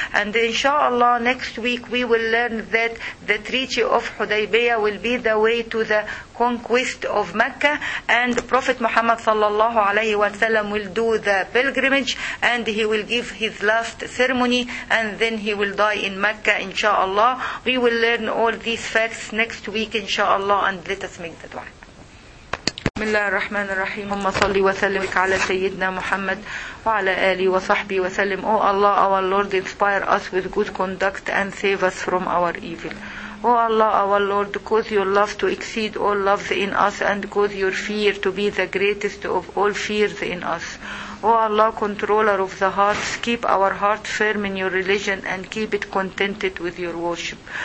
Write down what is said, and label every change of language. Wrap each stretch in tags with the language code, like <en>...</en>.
<en>And inshallah, next week we will learn that the Treaty of Hudaybiyah will be the way to the conquest of Mecca, and Prophet Muhammad sallallahu alayhi wa sallam will do the pilgrimage, and he will give his last ceremony, and then he will die in Mecca, inshallah. We will learn all these facts next week, inshallah, and let us make the dua.</en> <ar>بسم الله الرحمن الرحيم اللهم صل وسلم على سيدنا محمد وعلى آله وصحبه وسلم.</ar> <en>Oh Allah, our Lord, inspire us with good conduct and save us from our evil. Oh Allah, our Lord, cause your love to exceed all loves in us, and cause your fear to be the greatest of all fears in us. Oh Allah, controller of the hearts, keep our heart firm in your religion and keep it contented with your worship.</en>